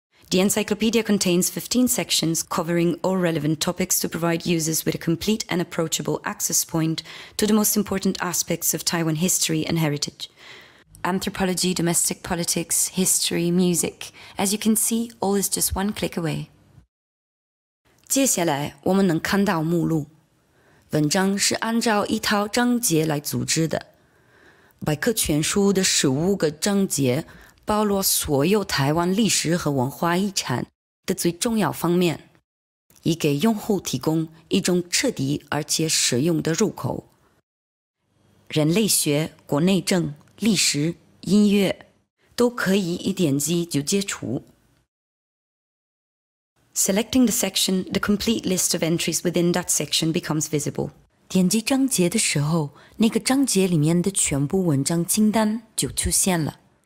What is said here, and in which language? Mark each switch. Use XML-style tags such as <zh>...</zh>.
<en>The encyclopedia contains 15 sections covering all relevant topics to provide users with a complete and approachable access point to the most important aspects of Taiwan history and heritage. Anthropology, domestic politics, history, music. As you can see, all is just one click away.</en> <zh>接下来我们能看到目录。文章是按照一套章节来组织的。百科全书的15个章节 包罗所有台湾历史和文化遗产的最重要方面，以给用户提供一种彻底而且实用的入口。人类学、国内政、历史、音乐，都可以一点击就接触。Selecting</zh> <en>the section, the complete list of entries within that section becomes visible.</en> <zh>点击章节的时候，那个章节里面的全部文章清单就出现了。</zh>